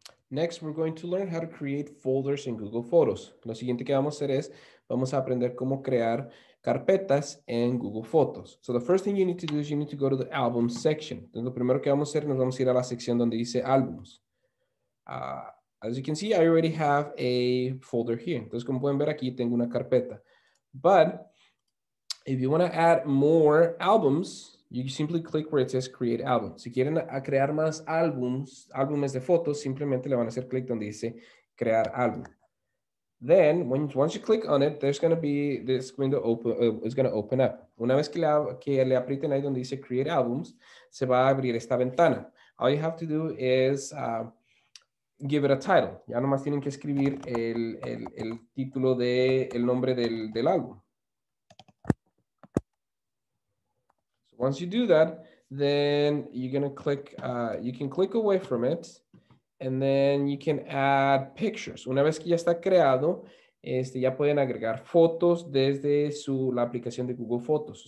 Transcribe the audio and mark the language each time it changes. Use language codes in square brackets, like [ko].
[en] Next, we're going to learn how to create folders in Google Photos. [es] Lo siguiente que vamos a hacer es, vamos a aprender cómo crear carpetas en Google Photos. [en] So the first thing you need to do is you need to go to the album section. [es] Entonces, lo primero que vamos a hacer, nos vamos a ir a la sección donde dice álbumes. [en] As you can see, I already have a folder here. [es] Entonces, como pueden ver aquí, tengo una carpeta. [en] But if you want to add more albums, you simply click where it says create album. [es] Si quieren a crear más álbumes, álbumes de fotos, simplemente le van a hacer clic donde dice crear álbum. [en] Then, once you click on it, there's going to be this window open, it's going to open up. [es] Una vez que le aprieten ahí donde dice [en] create albums, [es] se va a abrir esta ventana. [en] All you have to do is give it a title. [es] Ya nomás tienen que escribir el título de el nombre del álbum. [en] Once you do that, then you're going to click, you can click away from it, and then you can add pictures. [es] Una vez que ya está creado, ya pueden agregar fotos desde la aplicación de Google Photos.